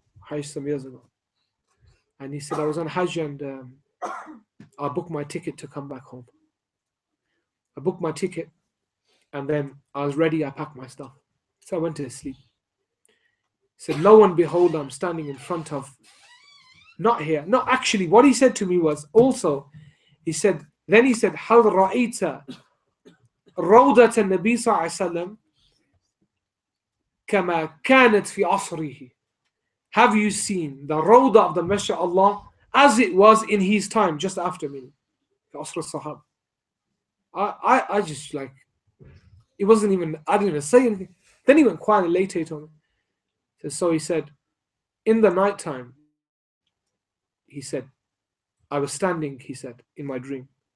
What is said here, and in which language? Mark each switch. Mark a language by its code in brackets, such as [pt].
[en] And he said, I was on Hajj and I booked my ticket to come back home. I booked my ticket. And then I was ready, I packed my stuff. So I went to sleep. He said, lo and behold, I'm standing in front of, not here. No, actually, what he said to me was also, he said, [ar] هَلْ رَأَيْتَ رَوْدَةَ النَّبِي صَلَّى اللَّهُ عَلَيْهِ وَسَلَّمَ كَمَا كَانَتْ فِي عَصْرِهِ. [en] Have you seen the rawda of the Messenger Allah as it was in his time, just after me, the Asr al-Sahab? I just like, it wasn't even, I didn't even say anything. Then he went quietly later, he told me. So he said, in the night time, he said, I was standing, he said, in my dream.